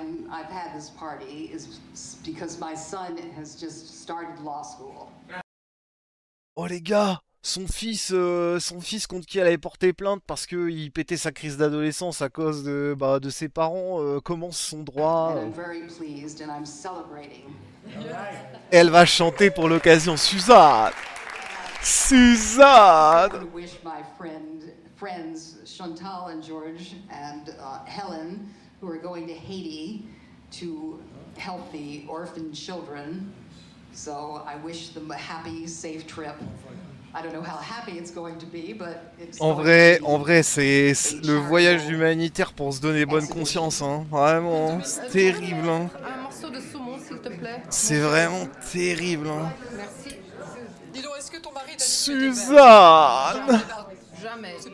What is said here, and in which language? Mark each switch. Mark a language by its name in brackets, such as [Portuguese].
[English] I've had this party is because my son has just started law school. [French] Oh les gars, son fils contre qui elle avait porté plainte parce que il pétait sa crise d'adolescence à cause de ses parents commence son droit. [English] And I'm very pleased and I'm celebrating. [French] Elle va chanter pour l'occasion, Suzanne. Suzanne. [English] I would wish my friends Chantal and George and Helen who are going to Haiti to help the orphan children. So I wish them a happy, safe trip. I don't know how happy it's going to be, but it's [French] en vrai, c'est le voyage humanitaire pour se donner bonne conscience, hein. Vraiment, c'est terrible, hein. Un morceau de saumon, s'il te plaît. C'est vraiment terrible, hein. Merci. Dis donc, est-ce que ton mari... Suzanne! Jamais.